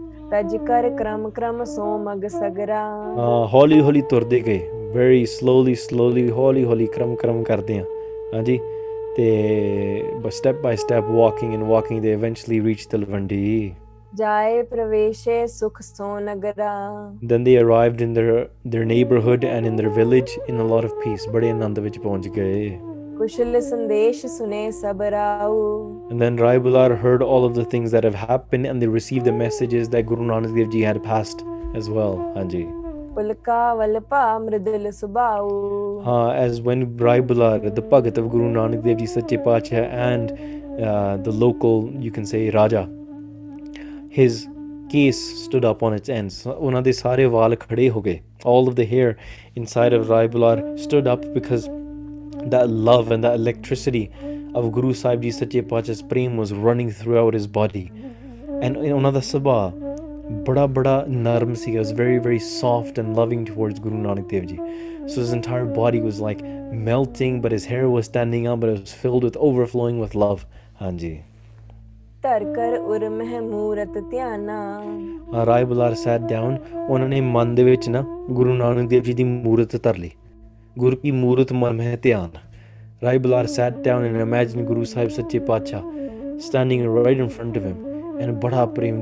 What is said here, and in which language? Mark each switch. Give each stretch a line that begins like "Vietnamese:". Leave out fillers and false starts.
Punjabi: ਤਜ ਕਰ ਕ੍ਰਮ ਕ੍ਰਮ ਸੋ ਮਗ ਸਗਰਾ। ਹਾਂ, ਹੌਲੀ ਹੌਲੀ ਤੁਰਦੇ ਗਏ,
English: very slowly slowly,
Punjabi: ਹੌਲੀ ਹੌਲੀ ਕ੍ਰਮ ਕ੍ਰਮ ਕਰਦੇ ਹਾਂ। ਹਾਂਜੀ, ਤੇ ਬਸ
English: Step by step walking and walking they eventually reach Talwandi.
Punjabi: ਜਾਏ ਪ੍ਰਵੇਸ਼ੇ ਸੁਖ ਸੋ Nagra.
English: Then they arrived in their neighborhood and in their village in a lot of peace.
Punjabi: ਬੜੇ ਆਨੰਦ ਵਿੱਚ ਪਹੁੰਚ ਗਏ। ਕੁਸ਼ਲ ਸੰਦੇਸ਼ ਸੁਨੇ ਸਭ ਰਾਉ।
English: And then Rai Bular heard all of the things that have happened and they received the messages that Guru Nanak Dev Ji had passed as well.
Punjabi: Hanji. ਪੁਲਕਾ ਵਲਪਾ Mridul ਸੁਭਾਉ।
English: Haan, as when Rai Bular, the Bhagat of Guru Nanak Dev Ji, Sache Pacha, and the local, you can say, Raja, his case stood up on its ends.
Punjabi: Unna de sare vaal khade ho gaye.
English: All of the hair inside of Rai Bular stood up because that love and that electricity of Guru Sahib Ji Sache Pacha's prem was running throughout his body. And
Punjabi: unna da subha bada bada narm si,
English: was very very soft and loving towards Guru Nanak Dev Ji. So his entire body was like melting, but his hair was standing up, but it was filled with overflowing with love.
Punjabi: Hanji. ਧਰਕਰ ਉਰ ਮਹਿਮੂਰਤ Dhiana. Rai Bular
English: sat down,
Punjabi: ਉਹਨਾਂ ਨੇ ਮਨ ਦੇ ਵਿੱਚ ਨਾ ਗੁਰੂ ਨਾਨਕ ਦੇਵ ਜੀ ਦੀ ਮੂਰਤ ਧਰ ਲਈ। ਗੁਰ ਕੀ ਮੂਰਤ ਮਨ ਮਹਿ ਧਿਆਨ।
English: Rai Bular sat down and imagine Guru Sahib Sache Patshah standing right in front of him and
Punjabi: ਬੜਾ ਪ੍ਰੇਮ।